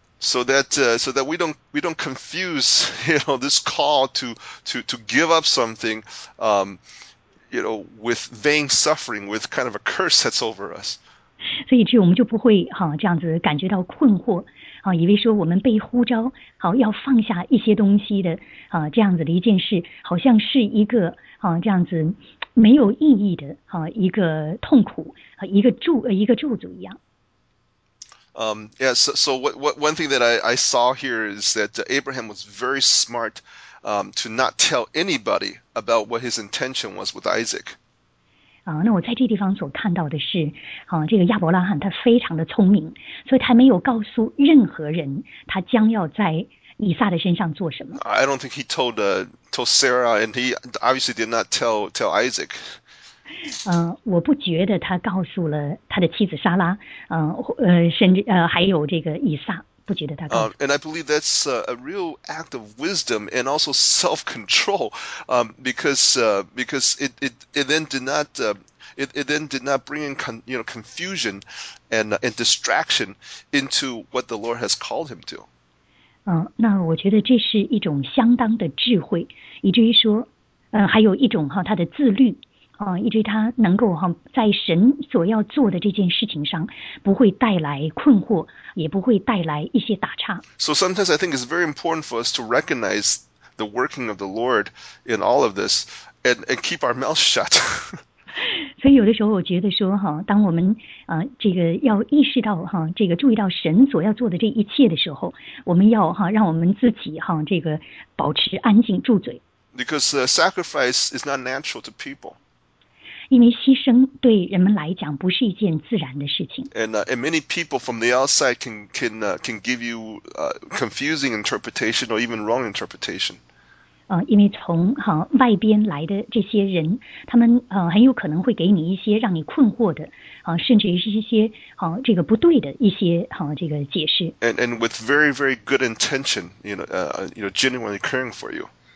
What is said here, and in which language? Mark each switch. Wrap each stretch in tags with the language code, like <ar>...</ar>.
<en>So that we don't confuse, you know, this call to give up something, you know, with vain suffering, with kind of a curse that's over us.</en> <zh>所以这我们就不会好这样子感觉到困惑，好，以为说我们被呼召，好要放下一些东西的，啊，这样子的一件事，好像是一个好这样子。没有意义的哈一个痛苦和一个咒诅一样。</zh> <en>So what one thing that I saw here is that Abraham was very smart, to not tell anybody about what his intention was with Isaac.</en> <zh>那我在这地方所看到的是，这个亚伯拉罕他非常的聪明，所以他没有告诉任何人他将要在以撒的身上做什么。</zh> <en>I don't think he told Sarah, and he obviously did not tell Isaac.</en> <zh>我不觉得他告诉了他的妻子莎拉，甚至还有这个以撒，不觉得他告诉。</zh> <en>And I believe that's a real act of wisdom and also self-control, because it then did not bring in confusion and distraction into what the Lord has called him to.</en> <zh>那我觉得这是一种相当的智慧，以至于说，还有一种哈他的自律，以至于他能够哈在神所要做的这件事情上不会带来困惑，也不会带来一些打岔。</zh> <en>So sometimes I think it's very important for us to recognize the working of the Lord in all of this and keep our mouth shut.</en> <zh>所以有的时候我觉得说哈，当我们这个要意识到哈，这个注意到神所要做的这一切的时候，我们要哈让我们自己哈这个保持安静住嘴。</zh> <en>Because sacrifice is not natural to people.</en> <zh>因为牺牲对人们来讲不是一件自然的事情。</zh> <en>And many people from the outside can give you confusing interpretation or even wrong interpretation.</en> <zh>因为从外边来的这些人，他们很有可能会给你一些让你困惑的甚至于是一些这个不对的一些这个解释。</zh> <en>And with very, very good intention, genuinely caring for you.</en>